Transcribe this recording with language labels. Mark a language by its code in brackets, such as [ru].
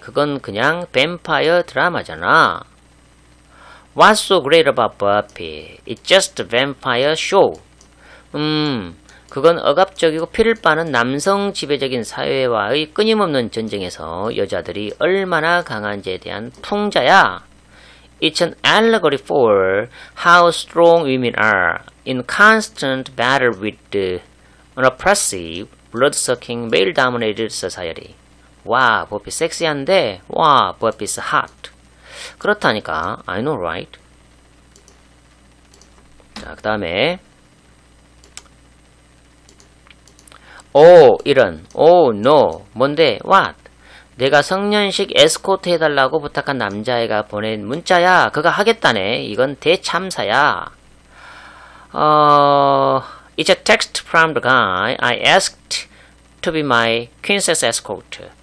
[ko] 그건 그냥 뱀파이어 드라마잖아. [en] What's so great about Buffy? It's just a vampire show. [ko] 그건 억압적이고 피를 빠는 남성 지배적인 사회와의 끊임없는 전쟁에서 여자들이 얼마나 강한지에 대한 풍자야. [en] It's an allegory for how strong women are in constant battle with an oppressive, blood-sucking, male-dominated society. [ko] 와, 버피 섹시한데, 와, 버피 [en] is hot. [ko] 그렇다니까. [en] I know, right? [ko] 자, 그 다음에 오, 이런. 오, no. 뭔데? What? 내가 성년식 에스코트 해달라고 부탁한 남자애가 보낸 문자야. 그거 하겠다네. 이건 대참사야. [en] It's a text from the guy I asked to be my princess escort.